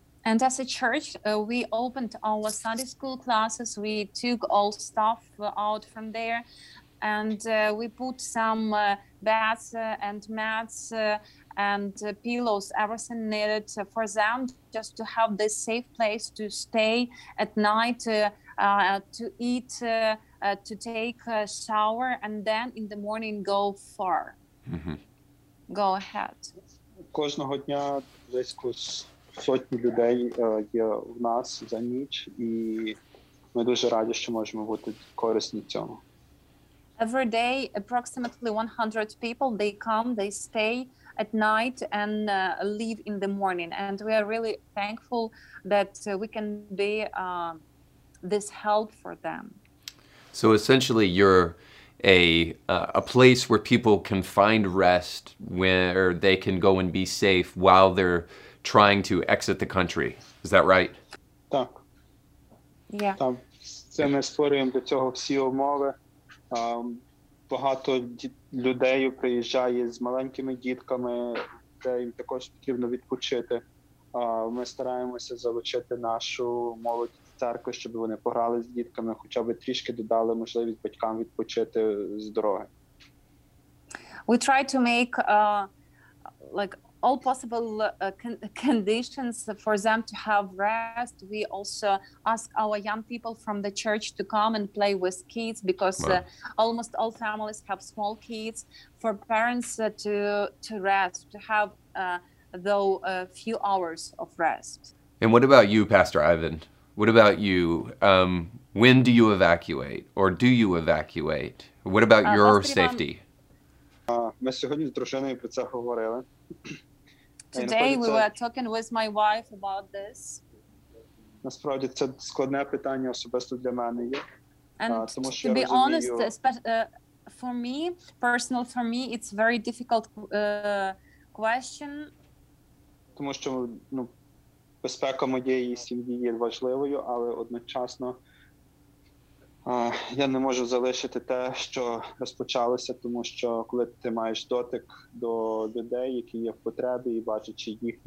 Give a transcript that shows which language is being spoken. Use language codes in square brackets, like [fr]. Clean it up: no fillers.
[en] And as a church, we opened our Sunday school classes, we took all stuff out from there, and we put some beds and mats and pillows, everything needed for them, just to have this safe place to stay at night, to eat, to take a shower, and then in the morning go far. Mm-hmm. Go ahead. [uk] Кожного дня близько сотні людей є в нас за ніч, і ми дуже раді, що можемо бути корисні цьому. [en] Every day, approximately 100 people, they come, they stay at night and leave in the morning. And we are really thankful that we can be this help for them. So essentially, you're a place where people can find rest, where they can go and be safe while they're trying to exit the country. Is that right? [uk] Так. [en] Yeah. [uk] Там, це ми створюємо для цього всі умови. Багато людей приїжджає з маленькими дітками, де їм також потрібно відпочити. Ми стараємося залучити нашу молодь в церкву, щоб вони пограли з дітками, хоча б трішки додали можливість батькам відпочити з дороги. [en] We try to make like all possible conditions for them to have rest. We also ask our young people from the church to come and play with kids, because wow, almost all families have small kids, for parents to rest, to have though a few hours of rest. And what about you, Pastor Ivan? What about you? When do you evacuate, or do you evacuate? What about your safety? [uk] Ми сьогодні з дружиною про це говорили. [en] Today we were talking with my wife about this. [uk] Насправді це складне питання особисто для мене є. [en] And to be honest, for me, personal for me, it's very difficult question. [uk] Тому що, ну, безпека моєї сім'ї є важливою, але одночасно я не можу залишити те, що розпочалося, тому що коли ти маєш дотик до людей, які є в потребі, і бачачи